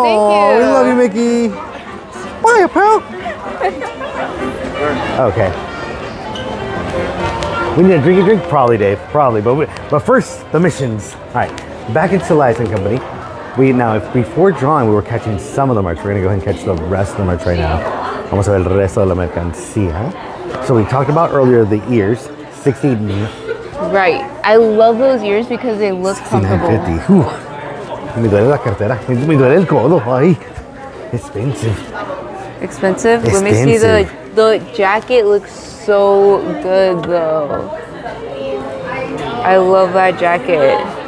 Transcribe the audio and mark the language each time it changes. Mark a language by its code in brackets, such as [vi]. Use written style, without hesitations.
[en] We love you, Mickey. Bye, pal. Okay. We need a drink, probably, Dave. Probably, but first, the missions. All right, back into Elias and Company. Before drawing, we were catching some of the merch. We're gonna go ahead and catch the rest of the merch right now. [es] Vamos a ver el resto de la mercancía. [en] So we talked about earlier the ears, 16. Right, I love those ears because they look comfortable. [es] 16.50, me duele la cartera, me duele el codo, ay. [en] Expensive? Let me see the jacket looks so good though. I love that jacket.